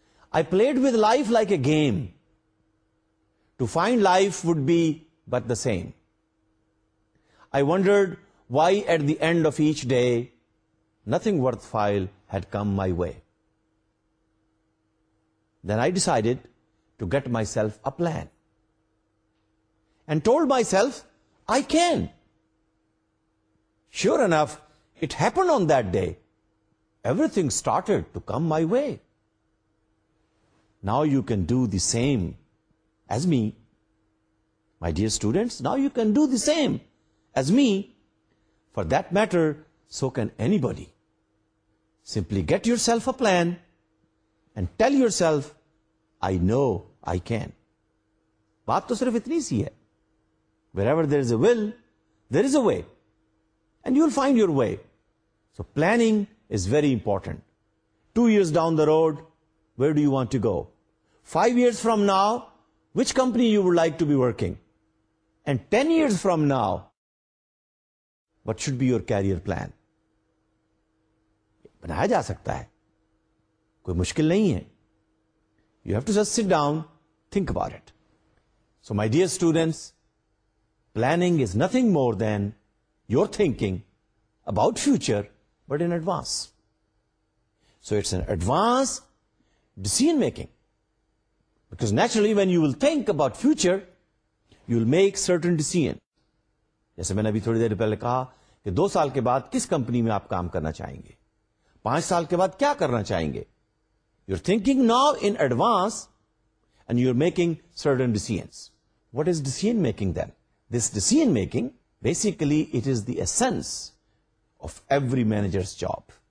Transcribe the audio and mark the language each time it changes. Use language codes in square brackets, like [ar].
[en] I played with life like a game, to find life would be but the same. I wondered why at the end of each day nothing worth while had come my way. Then I decided to get myself a plan and told myself, I can. Sure enough, it happened on that day. Everything started to come my way. Now you can do the same as me. My dear students, now you can do the same as me. For that matter, so can anybody. Simply get yourself a plan and tell yourself, I know I can. [ur] Baat to sirf itni si hai. [en] Wherever there is a will, there is a way. And you will find your way. So planning is very important. 2 years down the road, where do you want to go? 5 years from now, which company you would like to be working? And 10 years from now, what should be your career plan? [ur] بنایا جا سکتا ہے, کوئی مشکل نہیں ہے. [en] You have to just sit down, think about it. So my dear students, planning is nothing more than your thinking about future, but in advance. So it's an advance decision making. Because naturally when you will think about future, you will make certain decision. [ur] جیسے میں نے ابھی تھوڑی دیر پہلے کہا کہ 2 سال کے بعد کس کمپنی میں آپ کام کرنا چاہیں گے, 5 سال کے بعد کیا کرنا چاہیں گے. [en] You are thinking now in advance and you are making certain decisions. What is decision making then? This decision making basically it is the essence of every manager's job.